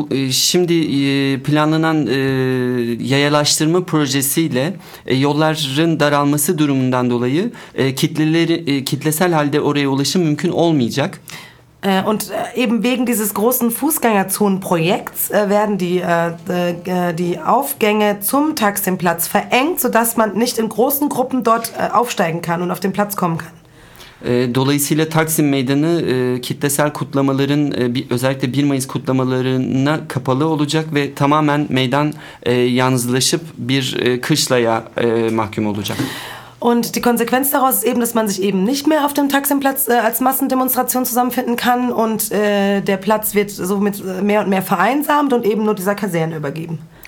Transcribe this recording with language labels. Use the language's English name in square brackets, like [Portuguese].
[Turkish] Şimdi planlanan yayalaştırma projesiyle yolların daralması durumundan dolayı kitlesel halde oraya ulaşım mümkün olmayacak. [German] Und eben wegen dieses großen Fußgängerzonenprojekts werden die Aufgänge zum Taksimplatz verengt, sodass man nicht in großen Gruppen dort aufsteigen kann und auf den Platz kommen kann. [Turkish] Dolayısıyla Taksim Meydanı kitlesel kutlamaların özellikle 1 Mayıs kutlamalarına kapalı olacak ve tamamen meydan yalnızlaşıp bir kışlaya mahkum olacak. [German] Und die Konsequenz daraus ist eben, dass man sich eben nicht mehr auf dem Taksimplatz als Massendemonstration zusammenfinden kann und der Platz wird somit mehr und mehr vereinsamt und eben nur dieser Kaserne übergeben.